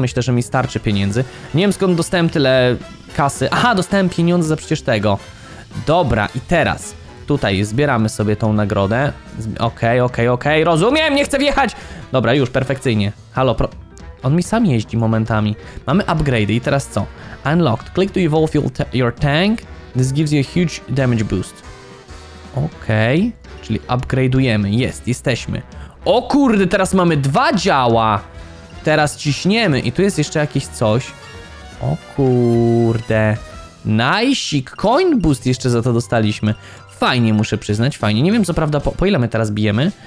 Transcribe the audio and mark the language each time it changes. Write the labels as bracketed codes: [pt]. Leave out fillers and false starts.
[pl] Myślę, że mi starczy pieniędzy. Nie wiem skąd dostałem tyle kasy. Aha, dostałem pieniądze za przecież tego. Dobra, i teraz tutaj zbieramy sobie tą nagrodę. Okej, rozumiem, nie chcę wjechać. Dobra, już, perfekcyjnie. Halo, on mi sam jeździ momentami. Mamy upgrade'y i teraz co? Unlocked. [en] Click to evolve your tank. This gives you a huge damage boost. [pl] Okej. Czyli upgrade'ujemy. Jest, jesteśmy. O kurde, teraz mamy dwa działa. Teraz ciśniemy. I tu jest jeszcze jakieś coś. O kurde. Najsik. Coin boost jeszcze za to dostaliśmy. Fajnie, muszę przyznać, fajnie. Nie wiem, co prawda, po ile my teraz bijemy?